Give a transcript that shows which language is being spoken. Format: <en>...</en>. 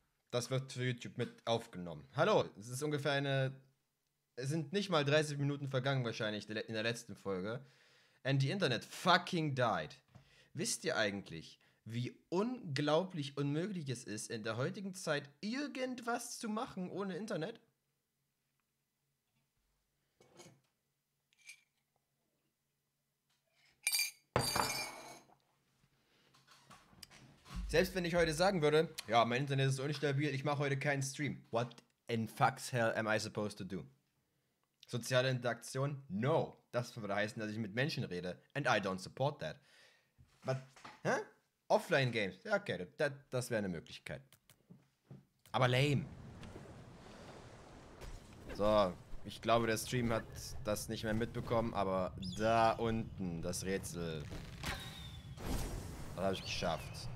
<de>Das wird für YouTube mit aufgenommen. Hallo, es ist ungefähr eine. Es sind nicht mal 30 Minuten vergangen, wahrscheinlich in der letzten Folge.</de> <en>And the Internet fucking died.</en> <de>Wisst ihr eigentlich, wie unglaublich unmöglich es ist, in der heutigen Zeit irgendwas zu machen ohne Internet? Selbst wenn ich heute sagen würde, ja, mein Internet ist unstabil, ich mache heute keinen Stream.</de> <en>What in fuck's hell am I supposed to do?</en> <de>Soziale Interaktion? No. Das würde heißen, dass ich mit Menschen rede.</de> <en>And I don't support that. But,</en> <de>hä? Offline-Games? Ja, okay, das wäre eine Möglichkeit. Aber lame. So, ich glaube, der Stream hat das nicht mehr mitbekommen, aber da unten, das Rätsel. Das habe ich geschafft.</de>